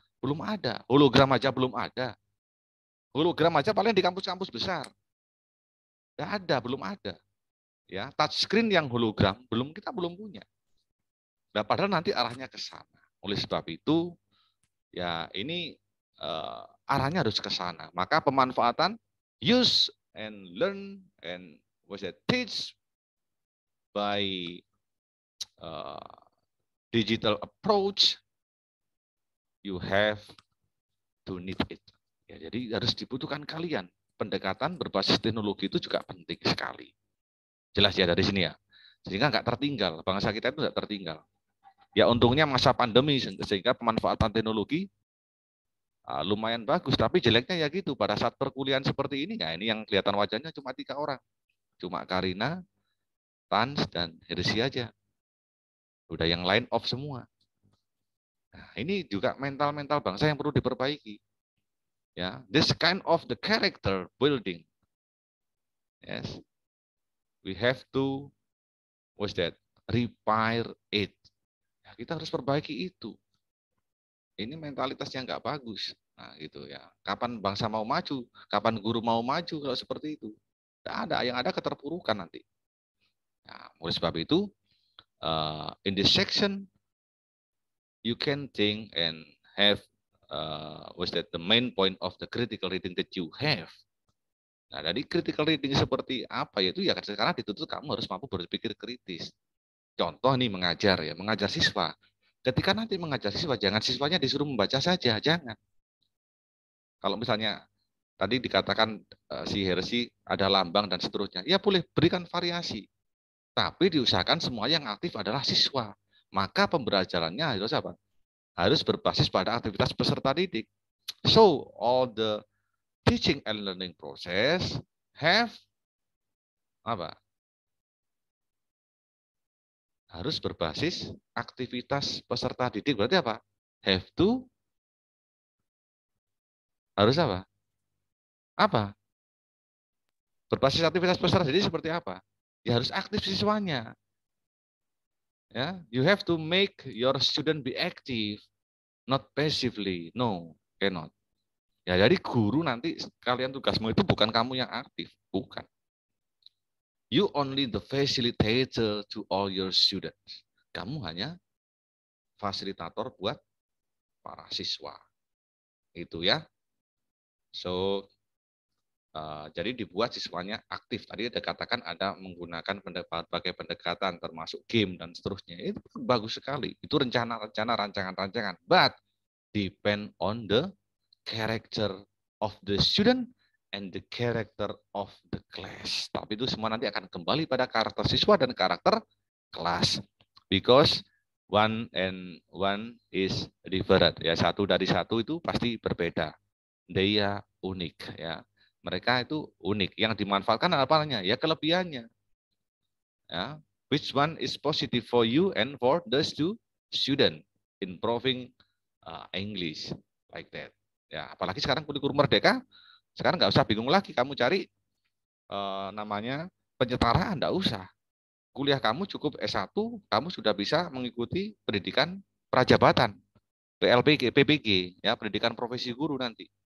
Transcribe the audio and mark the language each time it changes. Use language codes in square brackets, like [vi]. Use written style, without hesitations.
[id] Belum ada. Hologram aja belum ada. Hologram aja paling di kampus-kampus besar. Enggak ada, belum ada. Ya, touch screen yang hologram belum, kita belum punya. Nah, padahal nanti arahnya ke sana. Oleh sebab itu, ya ini arahnya harus ke sana. Maka pemanfaatan [en] use and learn and was it teach by digital approach, you have to need it. [id] Ya, jadi harus dibutuhkan kalian. Pendekatan berbasis teknologi itu juga penting sekali. Jelas ya dari sini ya. Sehingga nggak tertinggal. Bangsa kita itu nggak tertinggal. Ya untungnya masa pandemi sehingga pemanfaatan teknologi lumayan bagus. Tapi jeleknya ya gitu. Pada saat perkuliahan seperti ini, ya ini yang kelihatan wajahnya cuma 3 orang. Cuma Karina, Tans, dan Hersi aja. Udah yang lain off semua. Nah, ini juga mental-mental bangsa yang perlu diperbaiki. [en] Ya, this kind of the character building. Yes. We have to what's that? Repair it. [id] Ya, kita harus perbaiki itu. Ini mentalitas yang enggak bagus. Nah, gitu ya. Kapan bangsa mau maju? Kapan guru mau maju kalau seperti itu? Enggak ada, yang ada keterpurukan nanti. Nah, oleh sebab itu [en] in this section you can think and have what's that, the main point of the critical reading that you have. [id] Nah, jadi critical reading seperti apa? Yaitu ya sekarang dituntut kamu harus mampu berpikir kritis. Contoh nih mengajar ya, mengajar siswa. Ketika nanti mengajar siswa, jangan siswanya disuruh membaca saja, jangan. Kalau misalnya tadi dikatakan si Hersi ada lambang dan seterusnya, ya boleh berikan variasi. Tapi diusahakan semua yang aktif adalah siswa. Maka pembelajarannya harus apa? Harus berbasis pada aktivitas peserta didik. [en] So, all the teaching and learning process have apa? [id] Harus berbasis aktivitas peserta didik. Berarti apa? [en] Have to [id] harus apa? Apa? Berbasis aktivitas peserta didik seperti apa? Ya harus aktif siswanya. [en] Ya, you have to make your student be active, not passively. No, cannot. [id] Ya, jadi guru nanti kalian tugasmu itu bukan kamu yang aktif, bukan. [en] You only the facilitator to all your students. [id] Kamu hanya fasilitator buat para siswa. Itu ya. So jadi dibuat siswanya aktif. Tadi ada katakan ada menggunakan berbagai pendekatan termasuk game dan seterusnya. Itu bagus sekali. Itu rencana-rencana, rancangan-rancangan. [en] But depend on the character of the student and the character of the class. [id] Tapi itu semua nanti akan kembali pada karakter siswa dan karakter kelas. [en] Because one and one is different. [id] Ya, satu dari satu itu pasti berbeda. [en] They are unique, ya. [id] mereka itu unik. Yang dimanfaatkan apanya? Ya kelebihannya. Ya. [en] Which one is positive for you and for the student improving English like that. [id] Ya, apalagi sekarang kurikulum merdeka, sekarang enggak usah bingung lagi kamu cari namanya penyetaraan, enggak usah. Kuliah kamu cukup S1, kamu sudah bisa mengikuti pendidikan prajabatan, PLBG, PPG, ya, pendidikan profesi guru nanti.